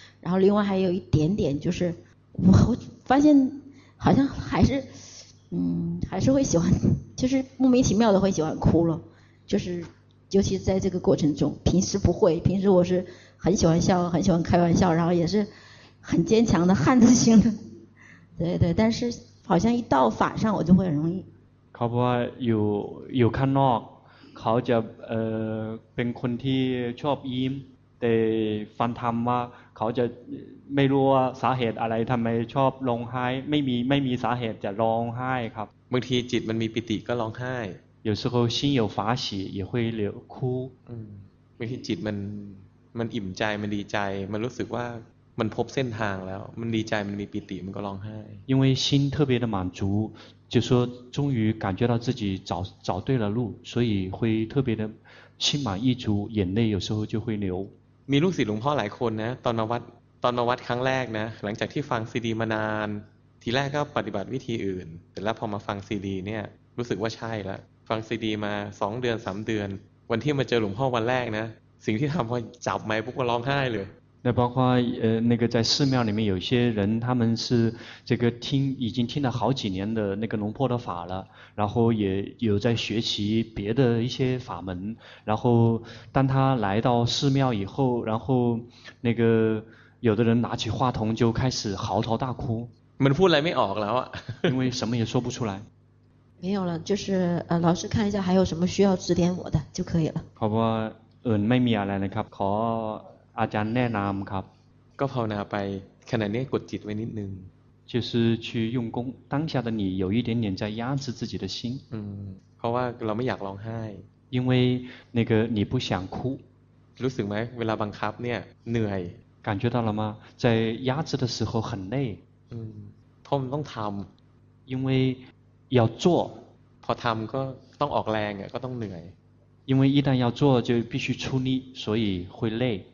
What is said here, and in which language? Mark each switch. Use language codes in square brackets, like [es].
[zh] 然后另外还有一点点，就是我发现好像还是还是会喜欢，就是莫名其妙的会喜欢哭了，就是尤其在这个过程中，平时不会，平时我是很喜欢笑，很喜欢开玩笑，然后也是很坚强的汉子型的，对对，但是好像一到法上我就会很容易。 [th] เขาบอกว่าอยู่ข้างนอกเขาจะเป็นคนที่ชอบยิ้มแต่ฟังธรรมว่าเขาจะไม่รู้ว่าสาเหตุอะไรทำไมชอบร้องไห้ไม่มีสาเหตุจะร้องไห้ครับ บางทีจิตมันมีปิติก็ร้องไห้ [zh] 有时候心有法喜也会流哭 [th] บางทีจิตมันอิ่มใจมันดีใจมันรู้สึกว่ามันพบเส้นทางแล้วมันดีใจมันมีปิติมันก็ร้องไห้ [zh] 因为心特别的满足就说终于感觉到自己找对了路所以会特别的心满意足眼泪有时候就会流 [th] มีลูกศิษย์หลวงพ่อหลายคนนะตอนมาวัดครั้งแรกนะหลังจากที่ฟังซีดีมานานทีแรกก็ปฏิบัติวิธีอื่นแต่แล้วพอมาฟังซีดีเนี่ยรู้สึกว่าใช่ละฟังซีดีมา2เดือน3เดือนวันที่มาเจอหลวงพ่อวันแรกนะสิ่งที่ทำพอจับไมค์ปุ๊บก็ร้องไห้เลย [zh] 那包括那个在寺庙里面有些人他们是这个听已经听了好几年的那个龙婆的法了然后也有在学习别的一些法门然后当他来到寺庙以后然后那个有的人拿起话筒就开始嚎啕大哭没出来没熬了因为什么也说不出来没有了就是老师看一下还有什么需要指点我的就可以了好吧 [th] ไม่มีอะไรนะครับขออาจารย์แนะนำครับ ก็ภาวนาไปขณะนี้กดจิตไว้นิดนึง [zh] 就是去用功当下的你有一点点在压制自己的心 [th] เพราะว่าเราไม่อยากร้องไห้ [zh] 因为那个你不想哭 [th] รู้สึกไหมเวลาบังคับเนี่ยเหนื่อย [zh] 感觉到了吗在压制的时候很累 [th] ทำต้องทำ [zh] 因为要做 [th] พอทำก็ต้องออกแรงก็ต้องเหนื่อย [zh] 因为一旦要做就必须出力所以会累